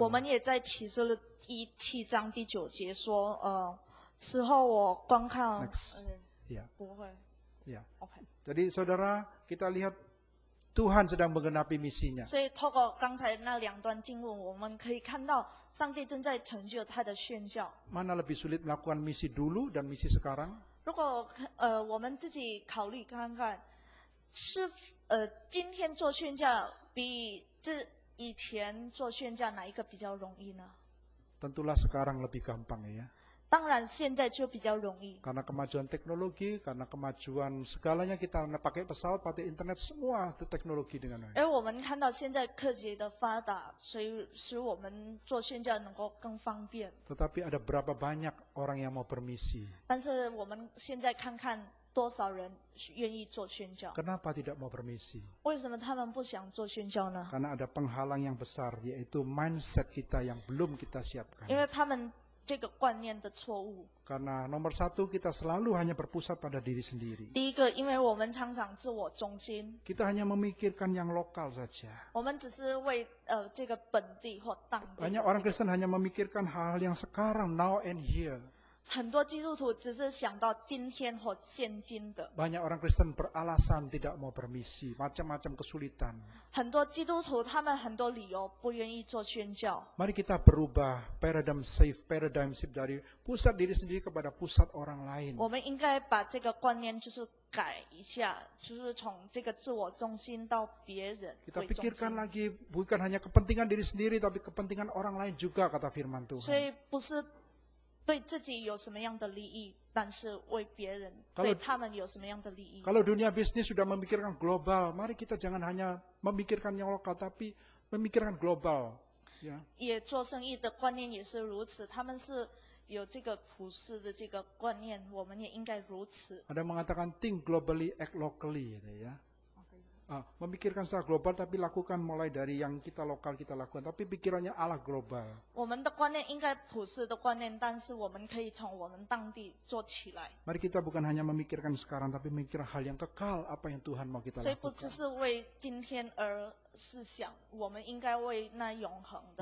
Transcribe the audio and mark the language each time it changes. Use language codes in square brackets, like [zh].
[zh] 我们也在启示录第七章第九节说，此后我观看。 [en] Next. Yeah. [zh] 不会。 [en] Yeah. Okay. [id] Jadi saudara, kita lihat Tuhan sedang menggenapi misinya. [zh] 所以透过刚才那两段经文，我们可以看到上帝正在成就他的宣教。 [id] Mana lebih sulit melakukan misi dulu dan misi sekarang? [zh] 如果我们自己考虑看看，是今天做宣教比这以前做宣教哪一个比较容易呢？ [id] Tentulah sekarang lebih gampang ya. [zh] 当然现在就比较容易。 [id] Karena kemajuan teknologi, karena kemajuan segalanya kita pakai pesawat, pakai internet, semua itu teknologi dengan baik. [zh] 而我们看到现在科技的发达，所以使我们做宣教能够更方便。 [id] Tetapi ada berapa banyak orang yang mau bermisi? [zh] 但是我们现在看看多少人愿意做宣教。 [id] Kenapa tidak mau bermisi? [zh] 为什么他们不想做宣教呢？ [id] Karena ada penghalang yang besar, yaitu mindset kita yang belum kita siapkan. [zh] 因为他们这个观念的错误。 [id] Karena nomor satu kita selalu hanya berpusat pada diri sendiri. [zh] 第一个，因为我们常常自我中心。 [id] Kita hanya memikirkan yang lokal saja. [zh] 我们只是为这个本地或当地。 [id] Banyak orang Kristen hanya memikirkan hal yang sekarang, [en] now and here. [zh] 很多基督徒只是想到今天或现今的。 [id] Banyak orang Kristen beralasan tidak mau bermisi, macam-macam kesulitan. [zh] 很多基督徒他们很多理由不愿意做宣教。 [id] Mari kita berubah paradigm shift dari pusat diri sendiri kepada pusat orang lain. [zh] 我们应该把这个观念就是改一下，就是从这个自我中心到别人。 [id] Kita pikirkan lagi bukan hanya kepentingan diri sendiri, tapi kepentingan orang lain juga, kata Firman Tuhan. [zh] 所以不是对自己有什么样的利益，但是为别人，对他们有什么样的利益。 [id] Kalau dunia bisnis sudah memikirkan global, mari kita jangan hanya memikirkan yang lokal, tapi memikirkan global. [en] Yeah. [zh] 也做生意的观念也是如此，他们是有这个普世的这个观念，我们也应该如此。 [id] Ada mengatakan [en] think globally, act locally, [id] gitu ya. memikirkan secara global tapi lakukan mulai dari yang kita lokal kita lakukan tapi pikirannya Allah global. [zh] 我们的观念应该不是的观念，但是我们可以从我们当地做起来。 [id] Mari kita bukan hanya memikirkan sekarang tapi memikirkan hal yang kekal apa yang Tuhan mau kita lakukan. [zh] 所以不只是为今天而思想，我们应该为那永恒的。